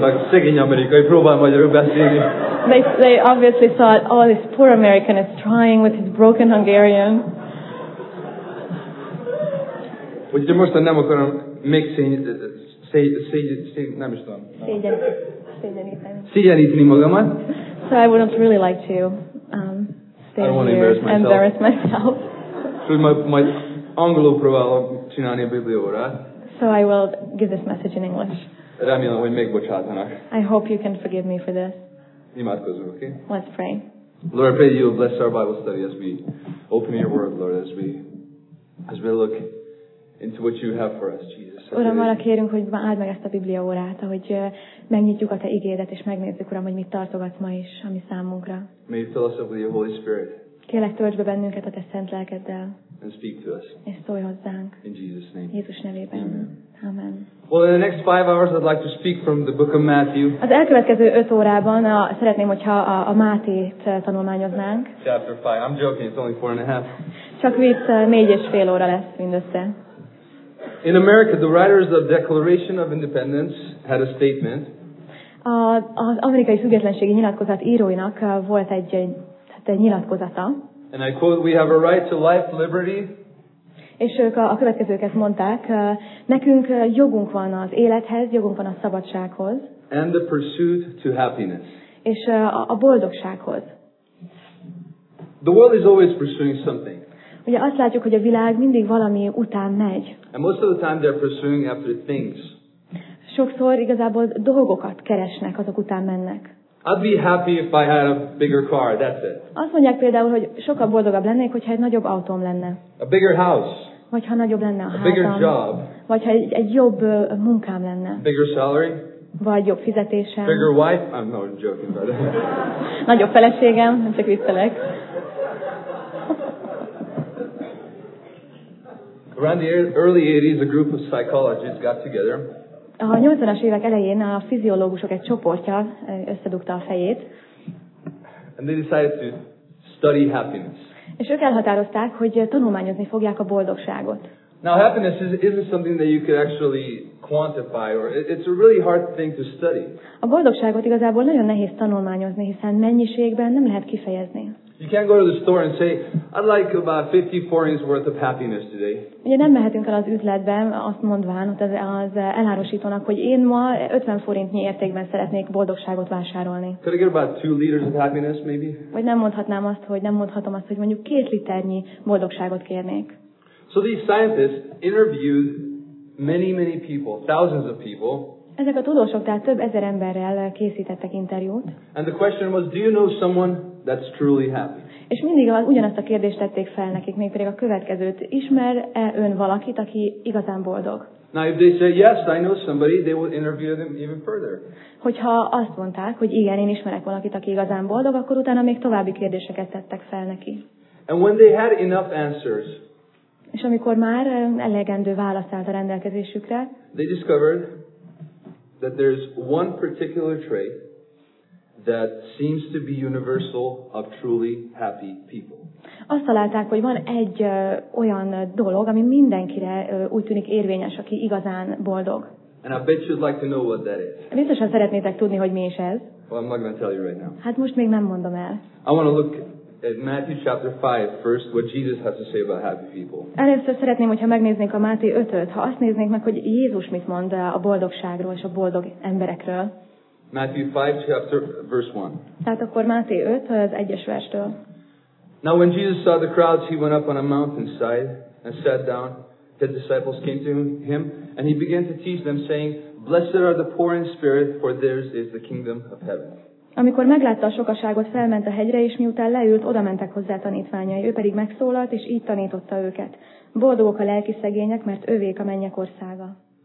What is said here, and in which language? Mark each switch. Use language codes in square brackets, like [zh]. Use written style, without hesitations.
[hu] Szegény amerikai, próbál magyarul beszélni. [en] They obviously thought, oh, this poor American is trying with his broken Hungarian. [hu] Hogy most nem akarom még szégyeníteni magamat. [en] So I wouldn't really like to stay here and embarrass myself. [hu] So my angolul próbálok csinálni a bibliórát. [en] So I will give this message in English. [hu] Remélem, hogy megbocsátanak. [en] I hope you can forgive me for this. [hu] Imádkozzunk, okay? [en] Let's pray. Lord, I pray that you will bless our Bible study as we open your word, Lord, as we look into what you have for us, Jesus. [hu] Uram, arra kérünk, hogy áld meg ezt a Biblia órát, ahogy megnyitjuk a te igédet, és megnézzük, Uram, hogy mit tartogatsz ma is a mi számunkra. [en] May you fill us up with your Holy Spirit. [hu] Kérlek, töltsd be bennünket a te szent lelkeddel. [en] And speak to us. [hu] És szólj hozzánk. [en] In Jesus' name. [hu] Jézus nevében. Amen. [en] Well, in the next 5 hours, I'd like to speak from the book of Matthew. [hu] Az elkövetkező 5 órában szeretném, hogyha a Mátét tanulmányoznánk. [en] Chapter 5. I'm joking, it's only 4.5. [hu] Csak vicc, 4.5 óra lesz mindössze. [en] In America, the writers of the Declaration of Independence had a statement. [hu] Az amerikai függetlenségi nyilatkozat íróinak volt egy nyilatkozata. [en] And I quote, we have a right to life, liberty. [hu] És ők a következőket mondták, nekünk jogunk van az élethez, jogunk van a szabadsághoz. [en] And the pursuit to happiness. [hu] És a boldogsághoz. [en] The world is always pursuing something. [hu] Ugye azt látjuk, hogy a világ mindig valami után megy. [en] And most of the time they're pursuing after things. [hu] Sokszor igazából dolgokat keresnek, azok után mennek. [en] I'd be happy if I had a bigger car, that's it. [hu] Azt mondják például, hogy sokkal boldogabb lennék, hogyha egy nagyobb autóm lenne. [en] A bigger house. [hu] Vagy ha nagyobb lenne a házam. [en] A bigger job. [hu] Vagy ha egy jobb munkám lenne. [en] Bigger salary. [hu] Vagy jobb fizetésem. [en] Bigger wife. I'm not joking about that. [hu] Nagyobb feleségem, nem csak viccelek. [en] Around the early 80s, a group of psychologists got together. [hu] A 80-as évek elején a fiziológusok egy csoportja összedugta a fejét. [en] And they decided to study happiness. [hu] És ők elhatározták, hogy tanulmányozni fogják a boldogságot. [en] Now happiness isn't something that you could actually quantify, or it's a really hard thing to study. [hu] A boldogságot igazából nagyon nehéz tanulmányozni, hiszen mennyiségben nem lehet kifejezni. [en] You can't go to the store and say, I'd like about 50 forints worth of happiness today. [hu] Ugye nem mehetünk el az üzletbe, azt mondván ott az elárusítónak, hogy én ma 50 forintnyi értékben szeretnék boldogságot vásárolni. [en] Could I get about 2 liters of happiness, maybe? [hu] Vagy nem mondhatom azt, hogy mondjuk 2 liternyi boldogságot kérnék. [en] So these scientists interviewed many, many people, thousands of people. [hu] Ezek a tudósok, tehát több ezer emberrel készítettek interjút. [en] And the question was, do you know someone that's truly happy? [hu] És mindig ugyanazt a kérdést tették fel nekik, mégpedig a következőt. Ismer-e ön valakit, aki igazán boldog? [en] Now if they say, yes, I know somebody, they will interview them even further. [hu] Hogyha azt mondták, hogy igen, én ismerek valakit, aki igazán boldog, akkor utána még további kérdéseket tettek fel neki. [en] And when they had enough answers, [hu] és amikor már elegendő válasz állt a rendelkezésükre, [en] they discovered that there's one particular trait that seems to be universal of truly happy people. [hu] Azt találták, hogy van egy olyan dolog, ami mindenkire úgy tűnik érvényes, aki igazán boldog. [en] And I bet you'd like to know what that is. [hu] Biztosan szeretnétek tudni, hogy mi is ez. [en] Well, I'm not going to tell you right now. [hu] Hát most még nem mondom el. [en] I want to look at Matthew chapter 5 first what Jesus has to say about happy people. [hu] Először szeretném, hogyha megnéznénk a Máté 5-öt, ha azt néznénk meg, hogy Jézus mit mond a boldogságról és a boldog emberekről. [en] Matthew 5 chapter verse 1. [hu] Tehát akkor Máté 5 az 1-es verstől. [en] Now when Jesus saw the crowds, he went up on a mountainside and sat down. The disciples came to him, and he began to teach them, saying, "Blessed are the poor in spirit, for theirs is the kingdom of heaven." [hu] Amikor meglátta a sokaságot, felment a hegyre, és miután leült, oda mentek hozzá tanítványai. Ő pedig megszólalt, és így tanította őket. Boldogok a lelki szegények, mert övék a mennyek országa.